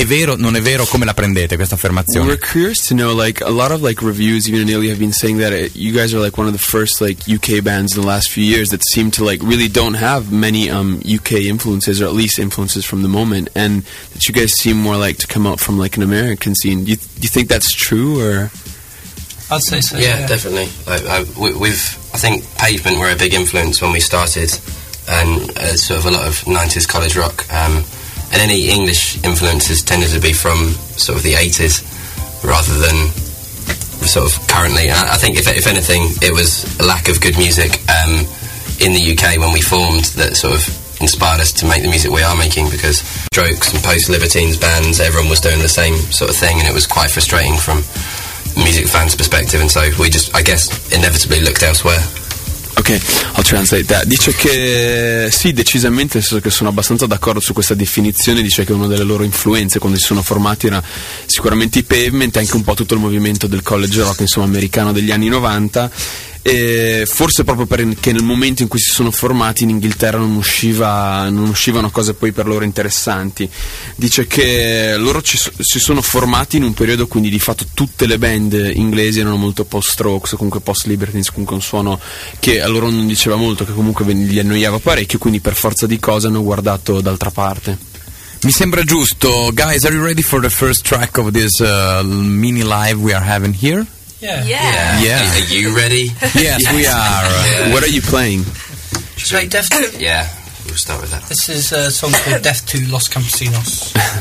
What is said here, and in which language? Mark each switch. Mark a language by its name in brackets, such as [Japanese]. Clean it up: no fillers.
[Italian] È vero, non è vero, come la prendete questa affermazione? [English] We're curious to know, like a lot of like reviews even in Italy have been saying that you guys are like one of the first like UK bands in the last few years that seem to like really don't have many UK influences, or at least influences from the moment, and that you guys seem more like to come out from like an American scene. Do you think that's true, or? I'd say so. Yeah. Definitely. Like, I think Pavement were a big influence when we started, and sort of a lot of 90s college rock. And any English influences tended to be from sort of the 80s, rather than sort of currently. And I think if anything, it was a lack of good music in the UK when we formed that sort of inspired us to make the music we are making, because Strokes and post-Libertines bands, everyone was doing the same sort of thing, and it was quite frustrating from music fans' perspective, and so we just, I guess, inevitably looked elsewhere. Ok, I'll translate that. [Italian] Dice che sì, decisamente, nel senso che sono abbastanza d'accordo su questa definizione. Dice che una delle loro influenze quando si sono formati era sicuramente i Pavement, anche un po' tutto il movimento del college rock, insomma, americano degli anni 90. E forse proprio perché nel momento in cui si sono formati in Inghilterra non uscivano cose poi per loro interessanti. Dice che loro si sono formati in un periodo, quindi di fatto tutte le band inglesi erano molto post-Strokes, comunque post-Libertines, comunque un suono che a loro non diceva molto, che comunque gli annoiava parecchio, quindi per forza di cose hanno guardato d'altra parte. Mi sembra giusto. [English] Guys, are you ready for the first track of this mini live we are having here? Yeah. Are you ready? Yes, we are. Yeah. What are you playing? Should we Death 2? Yeah, we'll start with that. This is a song called Death 2, Los Campesinos.